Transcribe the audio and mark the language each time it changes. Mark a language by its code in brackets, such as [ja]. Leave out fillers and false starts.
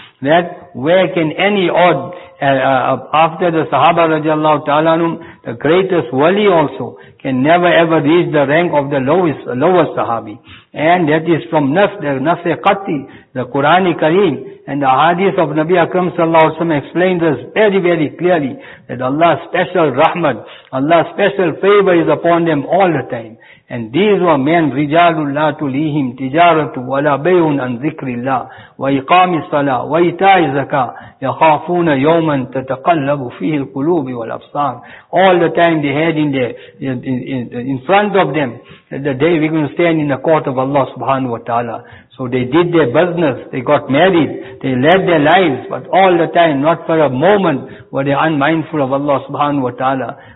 [en] That where can any odd, after the sahaba radiallahu ta'ala anhum, the greatest wali also, can never ever reach the rank of the lowest sahabi. And that is from nafs-e-qati, the Qur'an-i Kareem. And the hadith of Nabi Akram sallallahu alayhi wa sallam explains this very, very clearly, that Allah's special rahmat, Allah's special favor is upon them all the time. And these were men, [ar] رِجَالٌ لَا تُلِيهِمْ تِجَارَةٌ وَلَا بَيْعٌ عَنْ ذِكْرِ اللَّهِ وَإِقَامِ الصَّلَاةِ وَإِتَاءِ الزَّكَاةِ يَخَافُونَ يَوْمًا تَتَقَلَّبُ فِيهِ الْقُلُوبِ وَالْأَبْصَارِ. [en] All the time they had in their, in front of them, the day we're going to stand in the court of Allah subhanahu wa ta'ala. So they did their business, they got married, they led their lives, but all the time, not for a moment, were they unmindful of Allah subhanahu wa ta'ala.